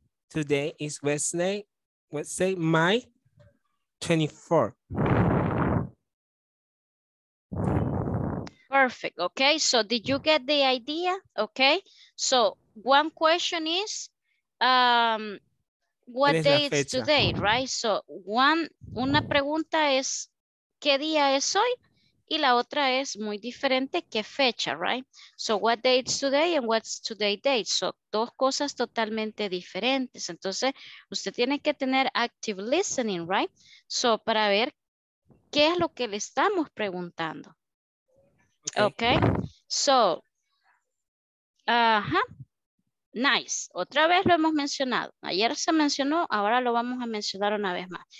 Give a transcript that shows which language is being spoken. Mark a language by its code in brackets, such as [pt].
[en] Today is Wednesday, May 24. Perfect. Okay. So did you get the idea? Okay. So one question is, what day is today, right? [es] So una pregunta es, ¿qué día es hoy? Y la otra es muy diferente, ¿qué fecha, right? [en] So what day is today and what's today date? [es] So dos cosas totalmente diferentes. Entonces, usted tiene que tener active listening, right? So para ver qué es lo que le estamos preguntando. Okay. [en] So, nice. [es] Otra vez lo hemos mencionado. Ayer se mencionó, ahora lo vamos a mencionar una vez más.